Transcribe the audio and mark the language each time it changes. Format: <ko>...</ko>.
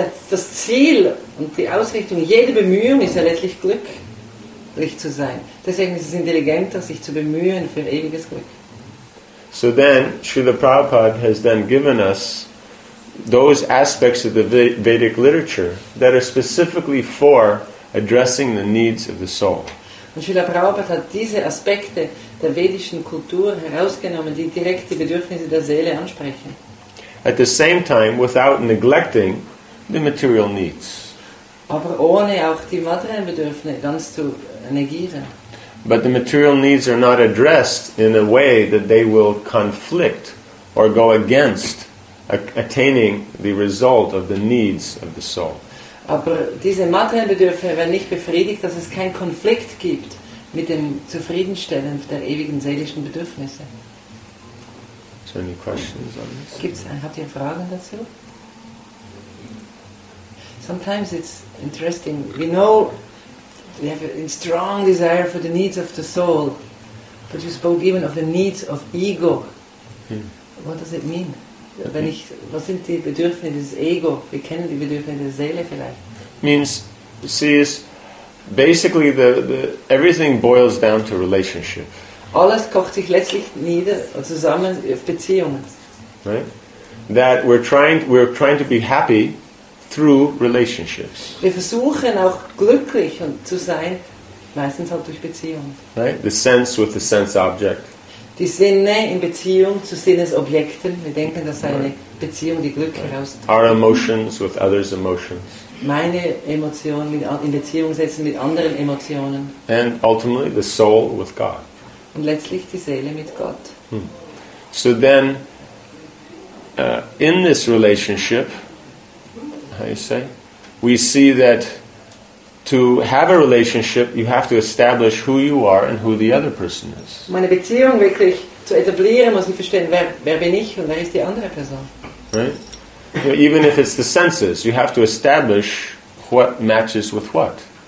<de>Das Ziel und die Ausrichtung, jede Bemühung ist ja letztlich glücklich zu sein. Deswegen ist es intelligenter, sich zu bemühen für ewiges Glück.</de> <en>So then, Srila Prabhupada has then given us those aspects of the Vedic literature that are specifically for addressing the needs of the soul.</en> <de>Und Srila Prabhupada hat diese Aspekte der vedischen Kultur herausgenommen, die direkt die Bedürfnisse der Seele ansprechen.</de> <en>At the same time, without neglecting the material needs.</en> <de>Aber ohne auch die materiellen Bedürfnisse ganz zu negieren.</de> <en>But the material needs are not addressed in a way that they will conflict or go against attaining the result of the needs of the soul.</en> <de>Aber diese materiellen Bedürfnisse werden nicht befriedigt, dass es keinen Konflikt gibt mit dem Zufriedenstellen der ewigen seelischen Bedürfnisse.</de> <en>So any questions on this?</en> <de>Gibt's, habt ihr Fragen dazu?</de> <en>Sometimes it's interesting. We know we have a strong desire for the needs of the soul, but you spoke even of the needs of ego. Hmm. What does it mean?</en> <de>Wenn ich, was sind die Bedürfnisse des Ego? Wir kennen die Bedürfnisse der Seele vielleicht.</de> <en>Means, see, is basically the everything boils down to relationship.</en> <de>Alles kocht sich letztlich nieder zusammen auf Beziehungen.</de> <en>Right? That we're trying to be happy through relationships.</en> <de>Wir versuchen auch glücklich zu sein, meistens halt durch Beziehungen.</de> <en>Right? The sense with the sense object.</en> <de>Die Sinne in Beziehung zu Sinnesobjekten. Wir denken, das sei eine Beziehung, die Glück herausbringt.</de> <en>Our emotions with others' emotions.</en> <de>Meine Emotionen in Beziehung setzen mit anderen Emotionen.</de> <en>And ultimately the soul with God.</en> <de>Und letztlich die Seele mit Gott. Hmm.</de> <en>So then, in this relationship, how you say, we see that to have a relationship, you have to establish who you are and who the other person is.</en> <de>Meine Beziehung wirklich zu etablieren, muss ich verstehen, wer bin ich und wer ist die andere Person.</de> <en>Right? Even if it's the senses, you have to establish what matches with what.</en>